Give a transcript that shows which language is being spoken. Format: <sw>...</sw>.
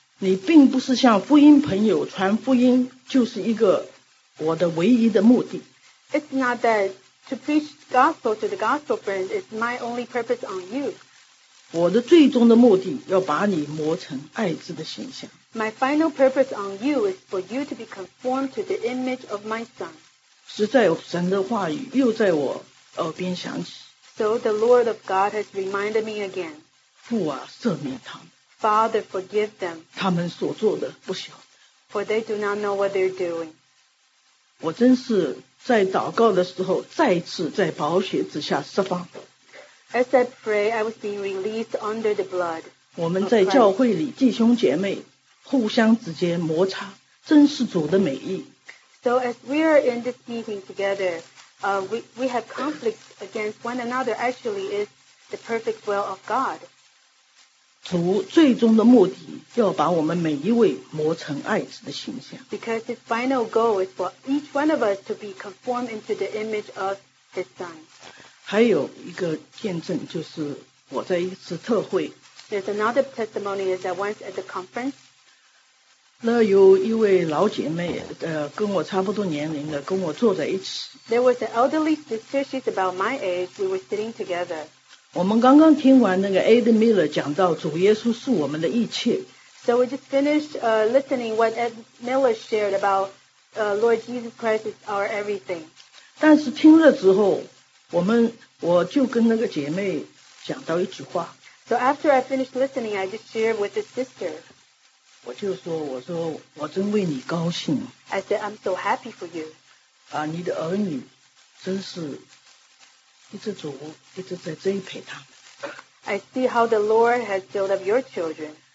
<zh>你并不是向福音朋友传福音就是一个我的唯一的目的。</zh> <en>It's not that to preach gospel to the gospel friend is my only purpose on you.</en> <zh>我的最终的目的要把你磨成爱子的形象。</zh> <en>My final purpose on you is for you to be conformed to the image of my son.</en> <zh>实在神的话语又在我耳边响起。</zh> <en>So the Lord of God has reminded me again.</en> <zh>父啊，赦免他们。</zh> <en>Father, forgive them.</en> <zh>他们所做的不晓得。</zh> <en>For they do not know what they're doing.</en> <zh>我真是在祷告的时候再次在宝血之下释放。</zh> <en>As I pray, I was being released under the blood.</en> <zh>我们在教会里弟兄姐妹互相之间摩擦，真是主的美意。</zh> <en>So as we are in this meeting together, we have conflict against one another actually is the perfect will of God.</en> <zh>主最终的目的要把我们每一位磨成爱子的形象。</zh> <en>Because his final goal is for each one of us to be conformed into the image of his son.</en> <zh>还有一个见证就是我在一次特会。</zh> <en>There's another testimony is that once at the conference,</en> <zh>那有一位老姐妹跟我差不多年龄的跟我坐在一起。</zh> <en>There was an elderly sister, she's about my age, we were sitting together.</en> <zh>我们刚刚听完那个 Ed Miller 讲到主耶稣是我们的一切。</zh> <en>So we just finished listening what Ed Miller shared about Lord Jesus Christ is our everything.</en> <zh>但是听了之后我就跟那个姐妹讲到一句话。</zh> <en>So after I finished listening, I just shared with the sister.</en> <zh>我就说，我说我真为你高兴。</zh> <en>I said I'm so happy for you.</en> <zh>啊，你的儿女真是一直主一直在栽培他们。</zh> <en>I see how the Lord has filled up your children.</en>